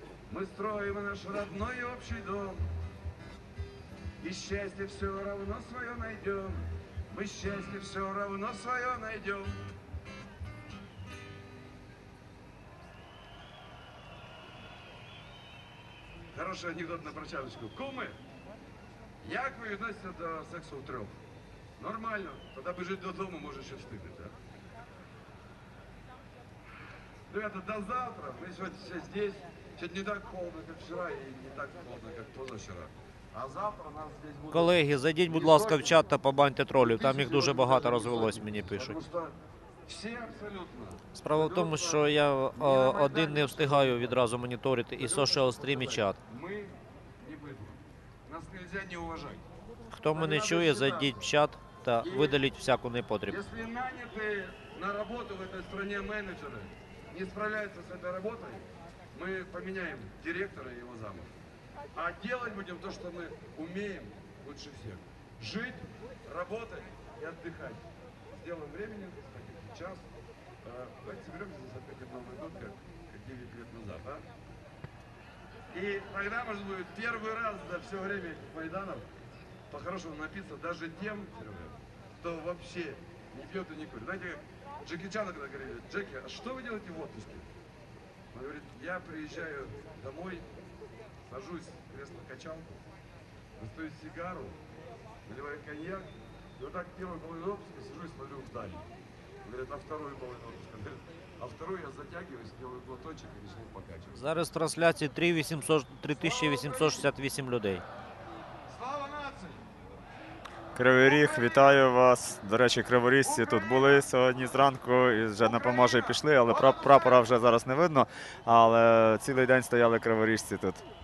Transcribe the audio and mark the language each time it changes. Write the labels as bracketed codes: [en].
[ru] Мы строим наш родной общий дом, и счастье все равно свое найдем. Мы счастье все равно свое найдем. Хороший анекдот на прощалочку. [uk] Кумы, як ви відносите до сексу втрьох? Нормально, тоді біжить додому, може ще встигти, так? Ребята, до завтра. Ми сьогодні ще здесь. Сьогодні не так холодно, як вчора, і не так холодно, як позавчора. А завтра нас здесь буде... Колеги, зайдіть, будь ласка, в чат та побаньте тролів. Там їх дуже багато розвелось, мені пишуть. Всі абсолютно. Справа в тому, що я один не встигаю відразу моніторити і соціал стрім, і чат. Ми не будемо. Нас нельзя не уважати. Хто мене чує, зайдіть в чат та видаліть всяку непотрібну. Якщо наняти на роботу в цій країні менеджери не справляються з цією роботою, ми поміняємо директора і його заму. А робити будемо те, що ми вміємо краще всіх. Жити, працювати і відпочивати. Зробимо часом. [ru] Давайте соберемся здесь опять одного ребенка, как 9 лет назад, а? И тогда, может быть, первый раз за все время Майданов по-хорошему напиться даже тем, кто вообще не пьет и не курит. Знаете, как Джеки Чан когда говорили: Джеки, а что вы делаете в отпуске? Он говорит: я приезжаю домой, сажусь в кресло-качалку, достаю сигару, наливаю коньяк, и вот так первый половину отпуска сижу и смотрю вдаль. Говорит, а вторую половину. А вторую я затягиваюсь, делаю глоточек и начну покачивать. [uk] Зараз в трансляции 3868 людей. Слава нації! Криворіг, вітаю вас. До речі, криворізці тут були сьогодні зранку і вже на поможе пішли, але прапора вже зараз не видно. Але цілий день стояли криворізці тут.